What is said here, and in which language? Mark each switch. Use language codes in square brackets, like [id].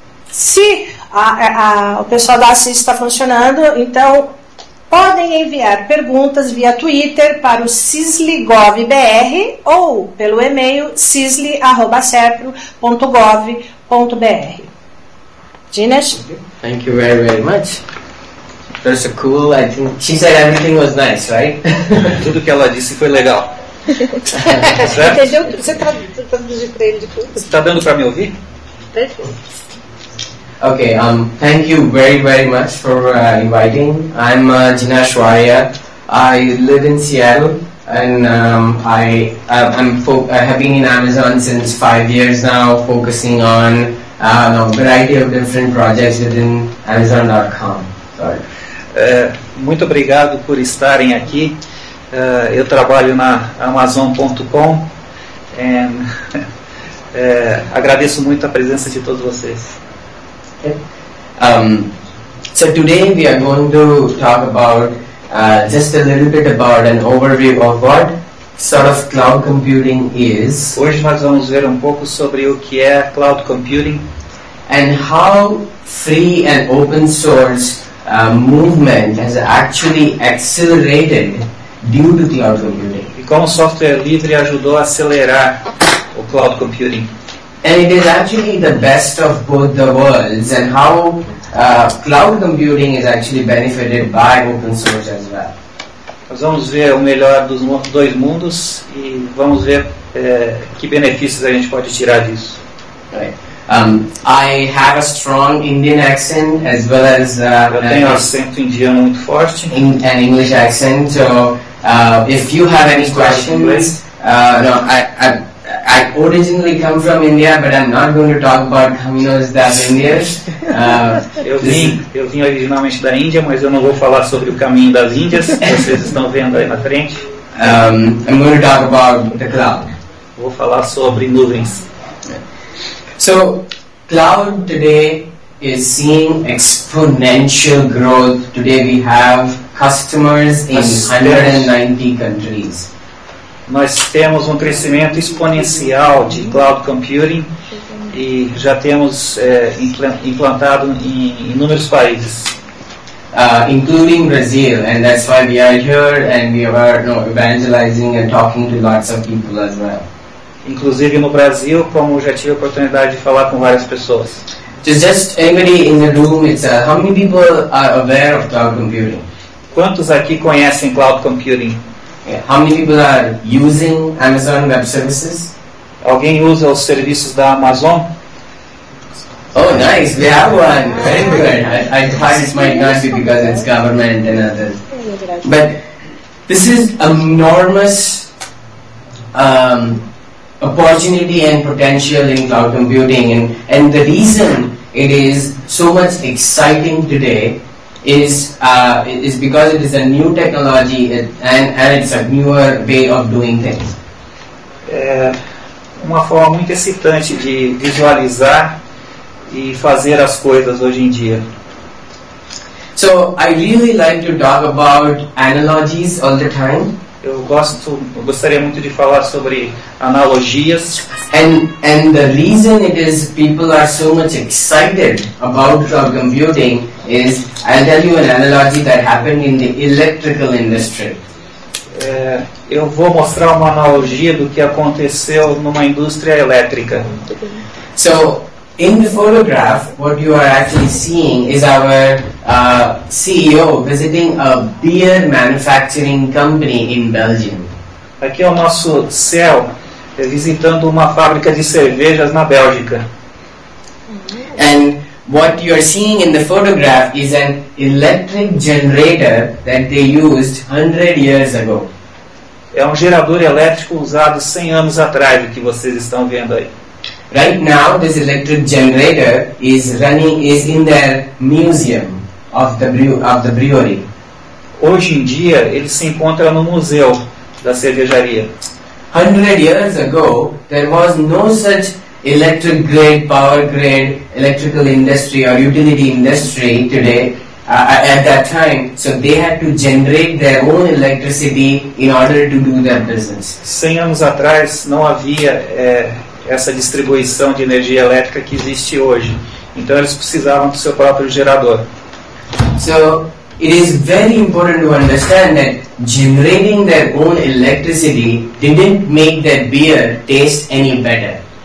[pt] Se o pessoal da CISL está funcionando, então podem enviar perguntas via Twitter para o cisl.gov.br ou pelo e-mail cisl@serpro.gov.br. Jinesh? [en] Thank you very, very much. That's so cool. I think she said everything was nice, right? [pt] Tudo que ela disse foi legal. Entendeu? Você traduziu para ele de tudo. Está dando para me ouvir? Perfeito. [en] Okay. Thank you very, very much for inviting. I'm Jinesh Varia. I live in Seattle, and I have been in Amazon since 5 years now, focusing on a variety of different projects within Amazon.com. Sorry. [pt] Muito obrigado por estarem aqui. Eu trabalho na Amazon.com e agradeço muito a presença de todos vocês. [en] Okay. So today we are going to talk about just a little bit about an overview of what sort of cloud computing is. [pt] Hoje nós vamos ver um pouco sobre o que é cloud computing [en] and how free and open source movement has actually accelerated due to cloud computing. [pt] E como o software livre ajudou a acelerar o cloud computing. [en] And it is actually the best of both the worlds, and how cloud computing is actually benefited by open source as well. [pt] Nós vamos ver o melhor dos dois mundos e vamos ver que benefícios a gente pode tirar disso. [en] Right. I have a strong Indian accent as well as [pt] Tenho acento indiano muito forte. [en] An English accent. So, if you have any questions, I originally come from India, but I'm not going to talk about [pt] caminhos da Índia. Eu vim originalmente da Índia, mas eu não vou falar sobre o caminho das Índias. Vocês estão vendo aí na frente. [en] I'm going to talk about the cloud. [pt] Vou falar sobre nuvens. [en] So, cloud today is seeing exponential growth. Today we have customers in 190 countries. [pt] Nós temos crescimento exponencial de cloud computing e já temos implantado em inúmeros países. [en] Including Brazil, and that's why we are here and we are evangelizing and talking to lots of people as well. [pt] Inclusive no Brasil, como já tive a oportunidade de falar com várias pessoas. [en] Just anybody in the room, how many people are aware of cloud computing? [pt] Quantos aqui conhecem cloud computing? [en] Yeah. How many people are using Amazon Web Services? [pt] Alguém usa os serviços da Amazon? [en] Oh, nice. We have one. Very good. I thought it might not be because it's government and others. But this is enormous opportunity and potential in cloud computing, and the reason it is so much exciting today is because it is a new technology and it's a newer way of doing things. [pt] uma forma muito excitante de visualizar e fazer as coisas hoje em dia. [en] So I really like to talk about analogies all the time. [pt] Eu gostaria muito de falar sobre analogias. [en] And the reason it is people are so much excited about cloud computing is, I'll tell you an analogy that happened in the electrical industry. [pt] Eu vou mostrar uma analogia do que aconteceu numa indústria elétrica. [en] So, in the photograph, what you are actually seeing is our CEO visiting a beer manufacturing company in Belgium. [pt] Aqui é o nosso CEO visitando uma fábrica de cervejas na Bélgica. [en] And what you are seeing in the photograph is an electric generator that they used 100 years ago. [pt] É um gerador elétrico usado 100 anos atrás, o que vocês estão vendo aí. [en] Right now, this electric generator is running, is in their museum of the brewery. [pt] Hoje em dia, ele se encontra no museu da cervejaria. [en] 100 years ago, there was no such electric grid, power grid, electrical industry or utility industry today, at that time, so they had to generate their own electricity in order to do their business. [pt] 100 anos atrás, não havia essa distribuição de energia elétrica que existe hoje. Então, eles precisavam do seu próprio gerador. [en] So, it is very important to understand that generating their own electricity didn't make their beer taste any better.